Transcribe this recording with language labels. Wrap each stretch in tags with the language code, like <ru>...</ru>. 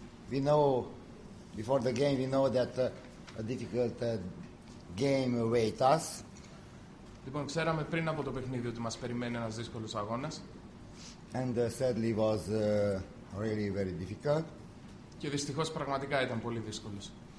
<en>We know before the game, we know that a difficult game awaits us.</en> <el>Λοιπόν, ξέραμε πριν από το παιχνίδι ότι μας περιμένει ένας δύσκολος αγώνας.</el> <en>And sadly was really very difficult.</en> <el>Και δυστυχώς πραγματικά ήταν πολύ δύσκολος.</el>